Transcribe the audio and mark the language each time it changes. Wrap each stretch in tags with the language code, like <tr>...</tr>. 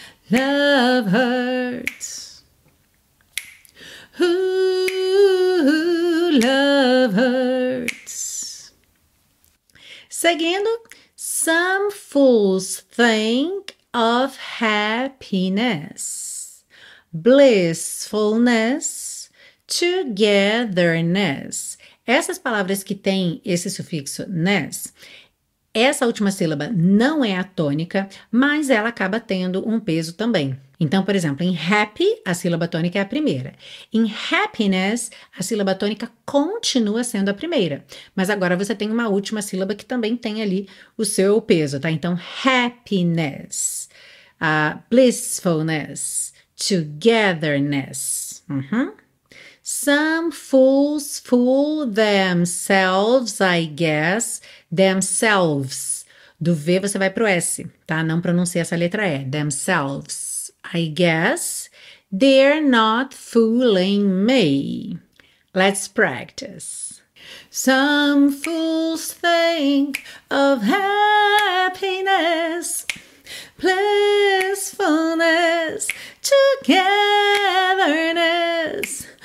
<en>Love hurts. Ooh, love hurts.</en> <pt>Seguindo,</pt> <en>some fools think of happiness, blissfulness, togetherness.</en> <pt>Essas palavras que têm esse sufixo ness, essa última sílaba não é atônica, mas ela acaba tendo um peso também. Então, por exemplo, em happy, a sílaba tônica é a primeira. Em happiness, a sílaba tônica continua sendo a primeira. Mas agora você tem uma última sílaba que também tem ali o seu peso, tá? Então,</pt> <en>happiness, blissfulness, togetherness. Some fools fool themselves, I guess, themselves.</en> <pt>Do V você vai pro S, tá? Não pronuncie essa letra E, themselves.</pt> <en>I guess they're not fooling me. Let's practice. Some fools think of happiness, blissfulness, togetherness.</en>